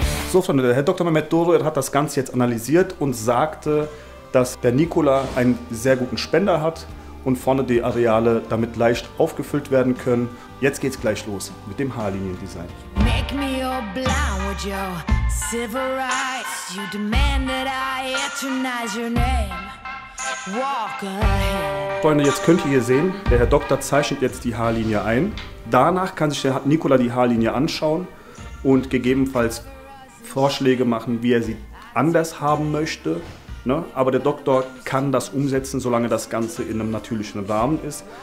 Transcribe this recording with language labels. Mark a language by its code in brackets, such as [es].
[de] So, Freunde, der Herr Doktor Mehmet Doro hat das Ganze jetzt analysiert und sagte, dass der Nicola einen sehr guten Spender hat und vorne die Areale damit leicht aufgefüllt werden können. Jetzt geht's gleich los mit dem Haarliniendesign. [en] Make me all blind with your civil rights. You demand that I eternize your name. Walk ahead. [de] Freunde, jetzt könnt ihr hier sehen, der Herr Doktor zeichnet jetzt die Haarlinie ein. Danach kann sich der Nicola die Haarlinie anschauen und gegebenenfalls Vorschläge machen, wie er sie anders haben möchte. Ne? Aber der Doktor kann das umsetzen, solange das Ganze in einem natürlichen Rahmen ist.